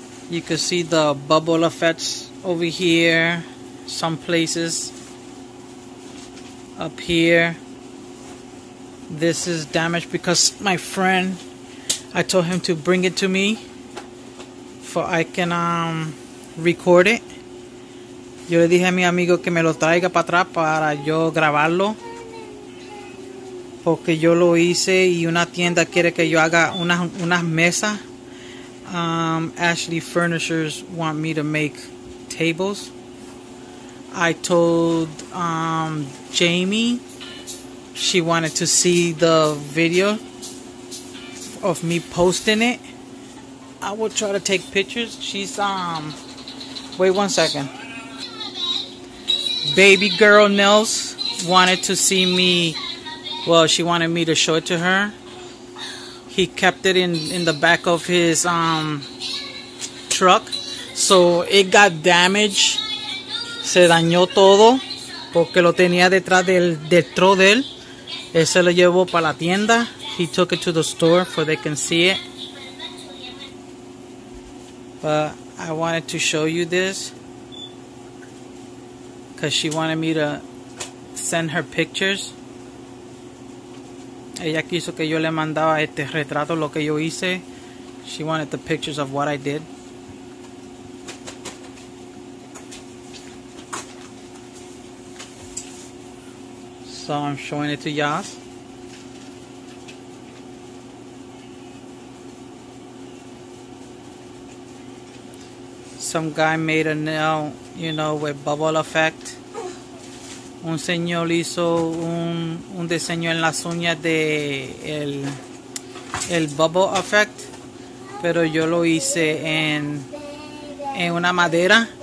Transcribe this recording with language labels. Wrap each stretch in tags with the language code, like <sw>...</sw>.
<en>You can see the bubble effects over here, some places up here. This is damaged because my friend, I told him to bring it to me for I can record it.</en> <es>Yo le dije a mi amigo que me lo traiga para atrás para yo grabarlo, porque yo lo hice y una tienda quiere que yo haga unas mesas.</es> <en>Ashley Furnishers want me to make tables. I told Jamie she wanted to see the video of me posting it. I will try to take pictures. She's wait 1 second. Babygirlnails wanted to see me. Well, she wanted me to show it to her. He kept it in the back of his truck. So it got damaged.</en> <es>Se dañó todo. Porque lo tenía detrás del truck de él. Ese lo llevó para la tienda.</es> <en>He took it to the store for they can see it. But I wanted to show you this. Because she wanted me to send her pictures.</en> <es>Ella quiso que yo le mandaba este retrato, lo que yo hice.</es> <en>She wanted the pictures of what I did. So I'm showing it to y'all. Some guy made a nail, you know, with bubble effect.</en> <es>Un señor hizo un diseño en las uñas de el bubble effect, pero yo lo hice en una madera.</es>